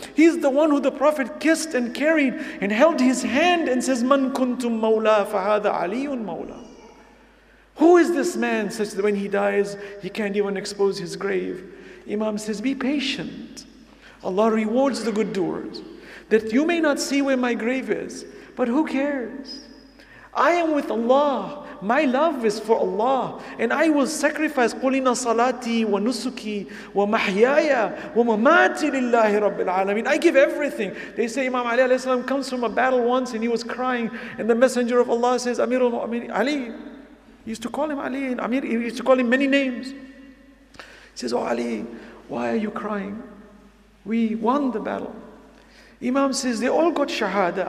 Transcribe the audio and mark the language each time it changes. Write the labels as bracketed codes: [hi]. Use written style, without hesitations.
[en] He's the one who the Prophet kissed and carried and held his hand and says, [ar] Man kuntum mawla fahada aliyun mawla. [en] Who is this man such that when he dies, he can't even expose his grave? Imam says, be patient. Allah rewards the good doers. That you may not see where my grave is, but who cares? I am with Allah. My love is for Allah. And I will sacrifice [ar] قُلِنَا صَلَاتِي وَنُسُكِي وَمَحْيَايَ وَمَمَاتِ لِلَّهِ رَبِّ الْعَالَمِينَ. [en] I give everything. They say Imam Ali alayhi salam comes from a battle once and he was crying. And the Messenger of Allah says, Amir al-Mu'mineen Ali. He used to call him Ali. And Amir, he used to call him many names. He says, oh Ali, why are you crying? We won the battle. Imam says, they all got shahada.